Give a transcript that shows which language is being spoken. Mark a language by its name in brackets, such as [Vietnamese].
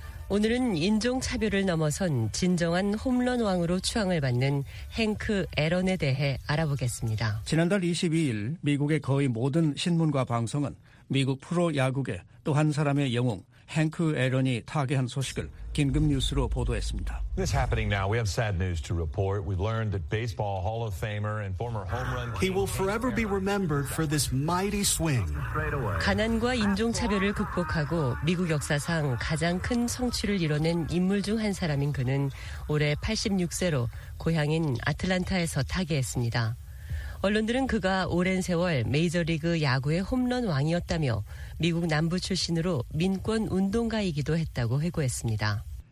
[Korean] 오늘은 인종차별을 넘어선 진정한 홈런왕으로 추앙을 받는 행크 에런에 대해 알아보겠습니다. 지난달 22일 미국의 거의 모든 신문과 방송은 미국 프로야구계 또 한 사람의 영웅 행크 에런이 타계한 소식을 긴급 뉴스로 보도했습니다. [English] This happening now. We have sad news to report. We learned that baseball Hall of Famer and former home run. He will forever be remembered for this mighty swing. [Korean] 가난과 인종 차별을 극복하고 미국 역사상 가장 큰 성취를 이뤄낸 인물 중 한 사람인 그는 올해 86세로 고향인 애틀랜타에서 타계했습니다. 언론들은 그가 오랜 세월 메이저리그 야구의 홈런 왕이었다며 미국 남부 출신으로 민권 운동가이기도 했다고 회고했습니다.